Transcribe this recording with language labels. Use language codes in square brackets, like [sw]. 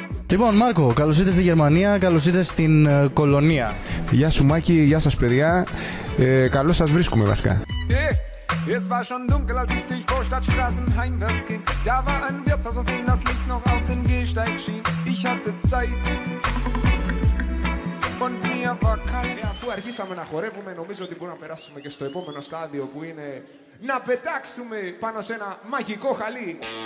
[el] Λοιπόν, Μάρκο, καλώς ήρθες στη Γερμανία, καλώς ήρθες στην Κολονία. Γεια σου Μάκη, γεια σας παιδιά, καλώς σας βρίσκουμε βασικά. [de] Es war schon dunkel, als ich durch Vorstadtstraßen heimwärts ging. Da war ein Wirtshaus, aus dem das Licht noch auf den Gehsteig schien. Ich hatte Zeit. Und mir war kalt. [el] Αφού αρχίσαμε να χορεύουμε, νομίζω ότι μπορούμε να περάσουμε και στο επόμενο στάδιο που είναι να πετάξουμε πάνω σε ένα μαγικό χαλί.